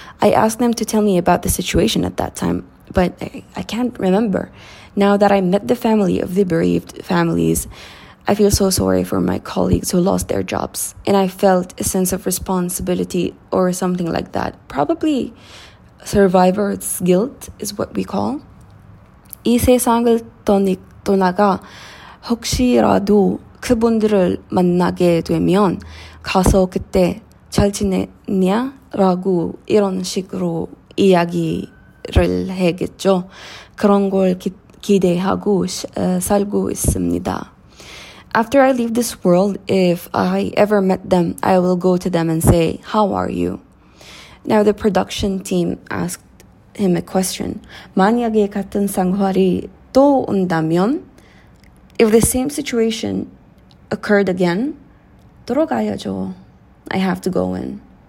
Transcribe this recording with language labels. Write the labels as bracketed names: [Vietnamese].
[English] I asked them to tell me about the situation at that time, but I can't remember. Now that I met the family of the bereaved families, I feel so sorry for my colleagues who lost their jobs. And I felt a sense of responsibility or something like that. Probably survivor's guilt is what we call. [Korean] 이 세상을 떠나가 혹시라도 그분들을 만나게 되면 가서 그때 잘 지냈냐? 라고 이런 식으로 이야기를 하겠죠. 그런 걸 기대하고 살고 있습니다. [English] After I leave this world, if I ever met them, I will go to them and say, how are you? Now the production team asked him a question. [Korean] 만약에 같은 상황이 또 온다면, [English] if the same situation occurred again, [Korean] 들어가야죠. [English] I have to go in.